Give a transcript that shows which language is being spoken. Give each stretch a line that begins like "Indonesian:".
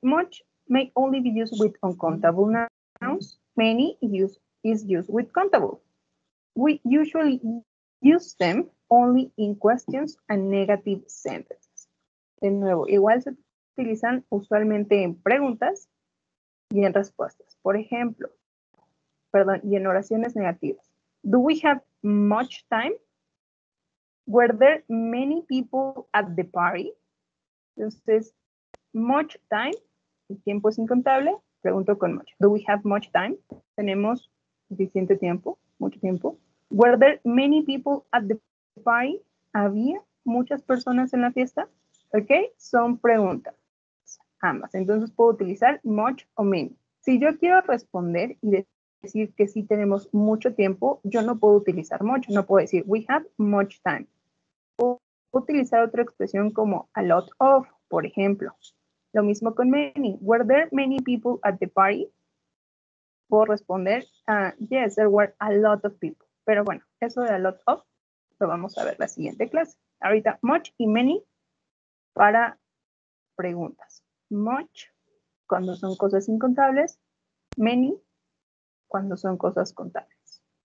English: Much may only be used with uncountable nouns. Many is used with countable. We usually use them only in questions and negative sentences.
Spanish: De nuevo, igual se utilizan usualmente en preguntas y en respuestas. Por ejemplo, perdón, y en oraciones negativas.
English: Do we have much time? Were there many people at the party?
Spanish: Entonces, much time, el tiempo es incontable, pregunto con much.
English: Do we have much time?
Spanish: ¿Tenemos suficiente tiempo? ¿Mucho tiempo?
English: Were there many people at the party?
Spanish: ¿Había muchas personas en la fiesta? Ok, son preguntas, ambas. Entonces, puedo utilizar much o many. Si yo quiero responder y decir que sí tenemos mucho tiempo, yo no puedo utilizar much, no puedo decir
English: we have much time.
Spanish: O utilizar otra expresión como
English: a lot of,
Spanish: por ejemplo. Lo mismo con many.
English: Were there many people at the party?
Spanish: Puedo responder,
English: yes, there were a lot of people.
Spanish: Pero bueno, eso de
English: a lot of
Spanish: lo vamos a ver la siguiente clase. Ahorita much y many para preguntas. Much cuando son cosas incontables, many cuando son cosas contables.